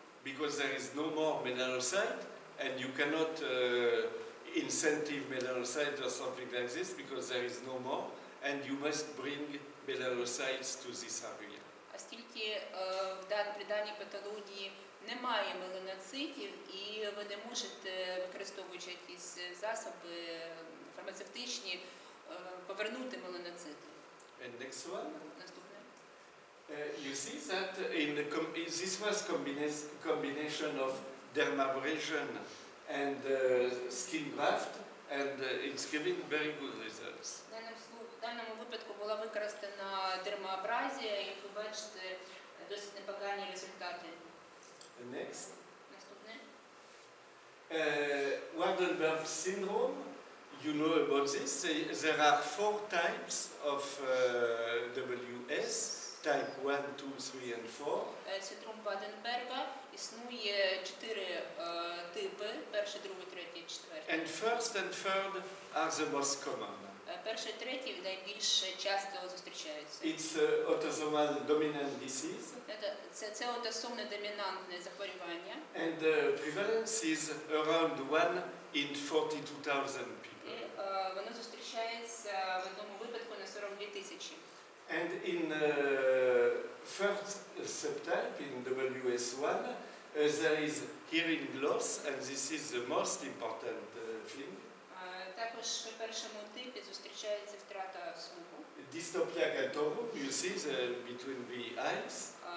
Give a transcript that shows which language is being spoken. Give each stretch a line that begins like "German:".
English: Because there is no more melanocyte, and you cannot incentive melanocyte or something like this, because there is no more, and you must bring melanocytes to this area.
Ukrainian: Оскільки при даній патології немає меланоцитів, і ви не можете, використовуючи якісь засоби фармацевтичні, повернути меланоцити.
English: And next one.
Ukrainian: Наступне.
English: You see that in the this was combination of dermabrasion and skin graft, and it's giving very good results.
Ukrainian: В даному випадку була використана дермаабразія, і ви бачите досить непогані результати.
English: Next.
Ukrainian: Наступне.
English: Waardenburg syndrome, you know about this. There are four types of WS, type 1, 2, 3 and 4.
Ukrainian: Синдром Ваденберга, існує 4 типи, перший, другий, третій, четвертий.
English: And first and third are the most common.
Ukrainian: Перший, третій найбільш часто зустрічаються.
English: It's autosomal dominant disease.
Ukrainian: Це аутосомне домінантне захворювання.
English: And the prevalence is around 1 in 42,000 people.
Ukrainian: Воно зустрічається в одному випадку на 42 тисячі.
English: And in first subtype, in WS1, there is hearing loss, and this is the most important thing.
Ukrainian: Також в першому типі зустрічається втрата слуху.
English: Dystopia cantorum, you see, the between the eyes.